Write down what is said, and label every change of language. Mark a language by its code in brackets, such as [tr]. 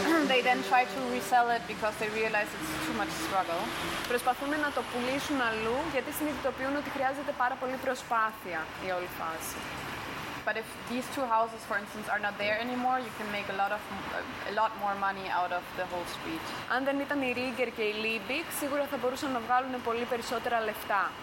[en] they then try to resell it because they realize it's too much struggle. [el] Προσπαθούν να το πουλήσουν αλλού γιατί συνειδητοποιούν ότι χρειάζεται πάρα πολύ προσπάθεια η όλη φάση. [en] But if these two houses, for instance, are not there anymore, you can make a lot more money out of the whole street. [el] Αν δεν ήταν η Ρίγκερ και η Λίμπικ, σίγουρα θα μπορούσαν να βγάλουν πολύ περισσότερα λεφτά.